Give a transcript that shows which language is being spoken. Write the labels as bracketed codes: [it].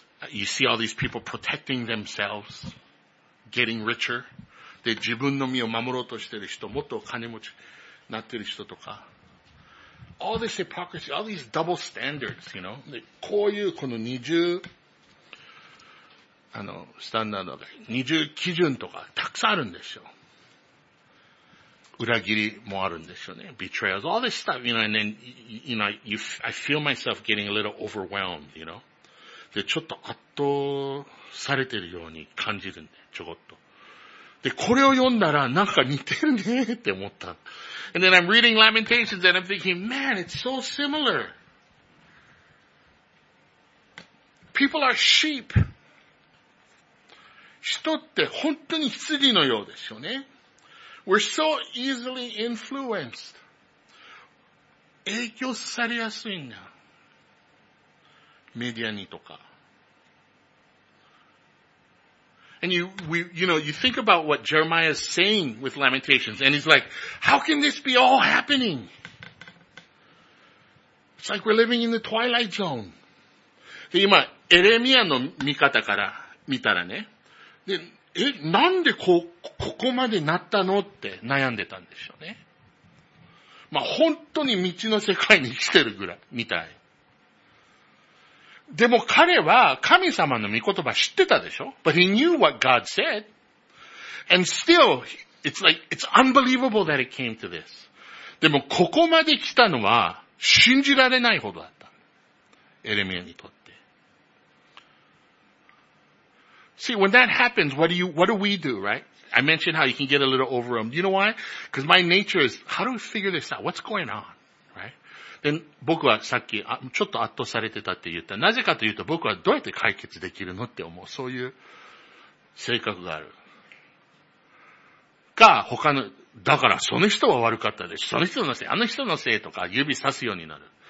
[en] You see all these people protecting themselves, getting richer. [ja] で、自分の身を守ろうとしてる人、もっと金持ちになってる人とか。 [en] All this hypocrisy, all these double standards, you know. [ja] で、こういうこの二重、スタンダードが二重基準とかたくさんあるんでしょう。裏切りもあるんでしょうね。 [en] Betrayals, all this stuff, you know, and then, you know, I feel myself getting a little overwhelmed, you know. [ja] で、ちょっと圧倒されてるように感じるんで、ちょこっと。で、これを読んだらなんか似てるねって思った。 [en] And then I'm reading Lamentations and I'm thinking, man, it's so similar. People are sheep. [ja] 人って本当に羊のようですよね。 [en] We're so easily influenced. [ja] 影響されやすいんだ。メディアにとか。 [en] And you think about what Jeremiah is saying with Lamentations, and he's like, how can this be all happening? It's like we're living in the twilight zone. [ja] で、今、エレミアの見方から見たらね、で、え、なんでここまでなったのって悩んでたんでしょうね。まあ、本当に道の世界に生きてるぐらい、みたい。でも彼は神様の御言葉知ってたでしょ ? [en] But he knew what God said. And still, it's like, it's unbelievable that it came to this. [ja] でもここまで来たのは信じられないほどだった。エレミアにとって。 [en] See, when that happens, what do we do, right? I mentioned how you can get a little overwhelmed. You know why? Because my nature is, how do we figure this out? What's going on? Right? [ja] Then, 僕はさっき、ちょっと圧倒されてたって言った。なぜかというと、僕はどうやって解決できるのって思う。そういう性格がある。が、他の、だから、その人は悪かったでしょ。その人のせい、あの人のせいとか、指さすようになる。